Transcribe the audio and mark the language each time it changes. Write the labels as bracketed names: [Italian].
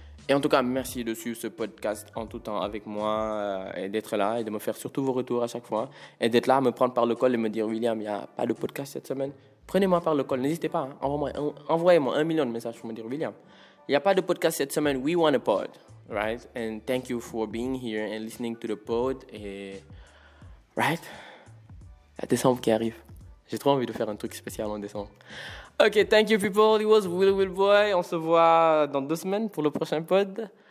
[French] Et en tout cas, merci de suivre ce podcast en tout temps avec moi et d'être là et de me faire surtout vos retours à chaque fois. Et d'être là, me prendre par le col et me dire « William, il n'y a pas de podcast cette semaine. » Prenez-moi par le col, n'hésitez pas. Hein. Envoyez-moi 1 million de messages pour me dire « William, il n'y a pas de podcast cette semaine. [English] We want a pod. » Right? And thank you for being here and listening to the pod. [French] Et... Right? La décembre qui arrive. J'ai trop envie de faire un truc spécial en décembre. [English] Ok, thank you people, it was Will Boy. [French] On se voit dans 2 semaines pour le prochain pod.